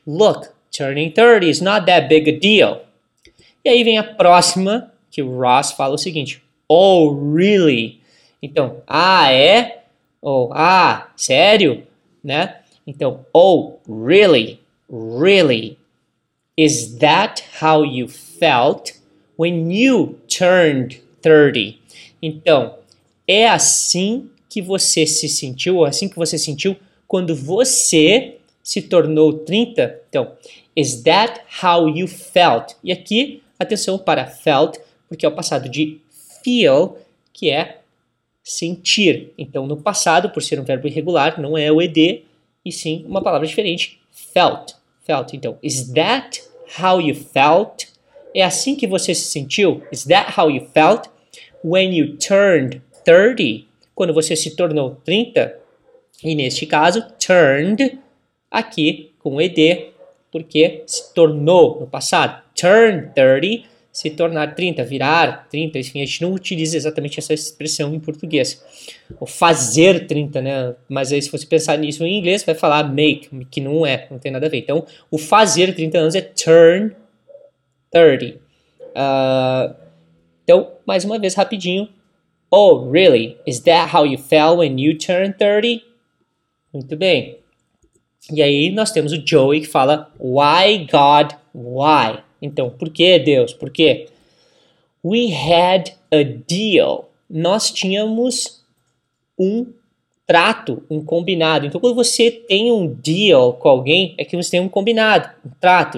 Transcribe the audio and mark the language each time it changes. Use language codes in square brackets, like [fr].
[en] Look, turning 30 is not that big a deal. [pt] E aí vem a próxima, que o Ross fala o seguinte. [en] Oh, really? [pt] Então, ah, é? Ou, ah, sério? Né? Então, [en] oh, really? Really? Is that how you felt when you turned 30? [pt] Então, é assim que você se sentiu, ou assim que você sentiu quando você se tornou 30? Então, [en] is that how you felt? [pt] E aqui, atenção para felt, porque é o passado de feel, que é sentir. Então, no passado, por ser um verbo irregular, não é o ED, e sim uma palavra diferente, felt. Felt. Então, [en] is that how you felt? [pt] É assim que você se sentiu? [en] Is that how you felt when you turned 30? [pt] Quando você se tornou 30? E neste caso, turned, aqui com ED, porque se tornou no passado. Turn 30, se tornar 30, virar 30, enfim, a gente não utiliza exatamente essa expressão em português. Ou fazer 30, né? Mas aí se você pensar nisso em inglês, vai falar make, que não é, não tem nada a ver. Então, o fazer 30 anos é turn 30. Então, mais uma vez, rapidinho. [en] Oh, really? Is that how you felt when you turned 30? [pt] Muito bem. E aí nós temos o Joey que fala, [en] why God, why? [pt] Então, por que Deus? Por quê? [en] We had a deal. [pt] Nós tínhamos um trato, um combinado. Então, quando você tem um deal com alguém, é que você tem um combinado, um trato.